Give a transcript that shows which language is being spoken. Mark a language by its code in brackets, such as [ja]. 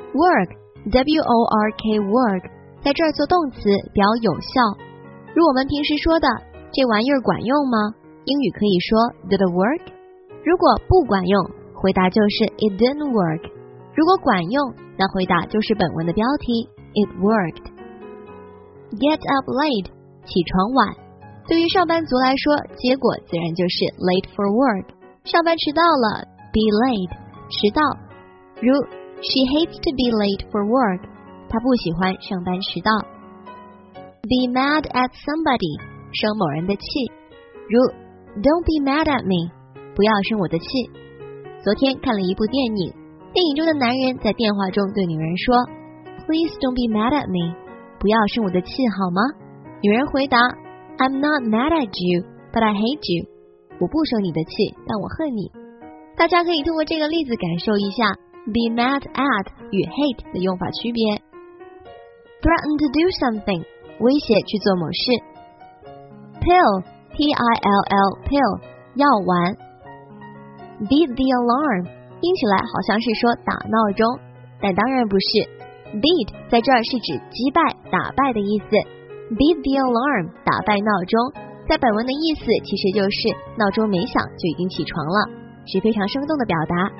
[zh] Work， W-O-R-K， work，在这儿做动词表有效。如我们平时说的这玩意儿管用吗，英语可以说 [en] did it work。 [zh] 如果不管用，回答就是 [en] it didn't work。 [zh] 如果管用，那回答就是本文的标题 [en] it worked。 get up late， [zh] 起床晚。对于上班族来说，结果自然就是 [en] late for work， [zh] 上班迟到了， [en] be late， [zh] 迟到。如 [en] she hates to be late for work， [zh] 他不喜欢上班迟到。 [en] Be mad at somebody， [zh] 生某人的气。 如 [en] Don't be mad at me， [zh] 不要生我的气。昨天看了一部电影，电影中的男人在电话中对女人说， [en] Please don't be mad at me， [zh] 不要生我的气好吗？女人回答， [en] I'm not mad at you but I hate you， [zh] 我不生你的气，但我恨你。大家可以通过这个例子感受一下 Be mad at 与 hate 的用法区别。 [en] Threaten to do something， [zh] 威胁去做某事。 [en] Pill， P-I-L-L， pill， [zh] 药丸。 [en] Beat the alarm， [zh] 听起来好像是说打闹钟，但当然不是。 Beat 在这儿是指击败、打败的意思。 [en] Beat the alarm， [zh] 打败闹钟，在本文的意思其实就是闹钟没响就已经起床了，是非常生动的表达。